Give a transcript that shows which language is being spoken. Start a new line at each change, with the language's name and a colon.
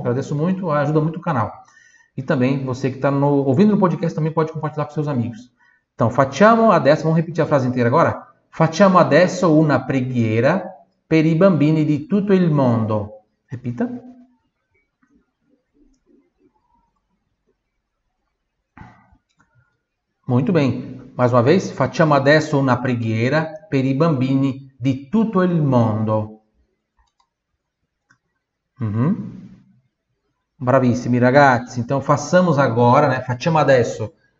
Portuguese: Agradeço muito, ajuda muito o canal. E também você que está ouvindo no podcast também pode compartilhar com seus amigos. Então,
Italian: facciamo adesso,
Portuguese: vamos repetir a frase inteira agora?
Italian: Facciamo adesso una preghiera per i bambini di tutto il mondo.
Portuguese: Repita. Muito bem. Mais uma vez,
Italian: facciamo adesso una preghiera per i bambini di tutto il mondo. Bravissimi ragazzi,
Portuguese: então façamos agora, né?
Italian: Facciamo adesso.